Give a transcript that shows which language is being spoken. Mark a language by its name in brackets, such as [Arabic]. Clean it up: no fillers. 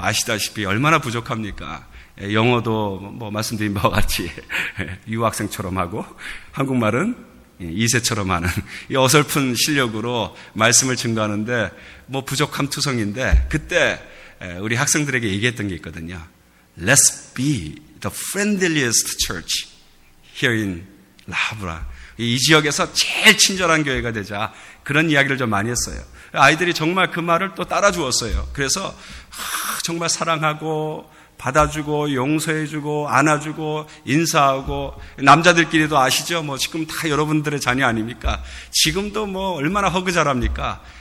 [Korean] 아시다시피 얼마나 부족합니까? 영어도 뭐 말씀드린 바와 같이 유학생처럼 하고 한국말은 2세처럼 하는 이 어설픈 실력으로 말씀을 증거하는데 뭐 부족함 투성인데 그때 우리 학생들에게 얘기했던 게 있거든요. [English] Let's be the friendliest church here in La Habra. [Korean] 이 지역에서 제일 친절한 교회가 되자 그런 이야기를 좀 많이 했어요. 아이들이 정말 그 말을 또 따라주었어요. 그래서 정말 사랑하고 받아주고 용서해주고 안아주고 인사하고 남자들끼리도 아시죠? 뭐 지금 다 여러분들의 자녀 아닙니까? 지금도 뭐 얼마나 허그 잘합니까?